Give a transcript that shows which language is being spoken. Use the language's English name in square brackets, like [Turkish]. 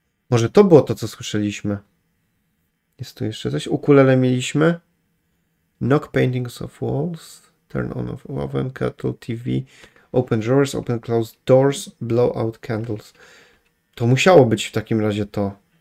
[Polish] Może to było to, co słyszeliśmy. Jest tu jeszcze coś. Ukulele mieliśmy. [English] Knock paintings off walls. Turn on of oven, kettle, TV. Open drawers, open closed doors. Blow out candles. [Polish] To musiało być w takim razie to.